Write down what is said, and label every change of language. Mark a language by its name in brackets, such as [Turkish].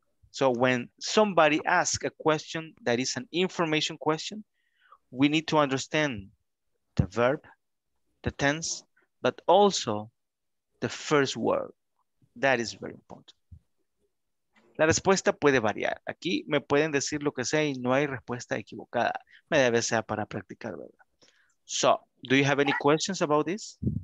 [English] So when somebody asks a question that is an information question, we need to understand the verb, the tense, but also the first word. That is very important. [Spanish] La respuesta puede variar. Aquí me pueden decir lo que sea y no hay respuesta equivocada. Me debe ser para practicar, ¿verdad? [English] So, do you have any questions about this?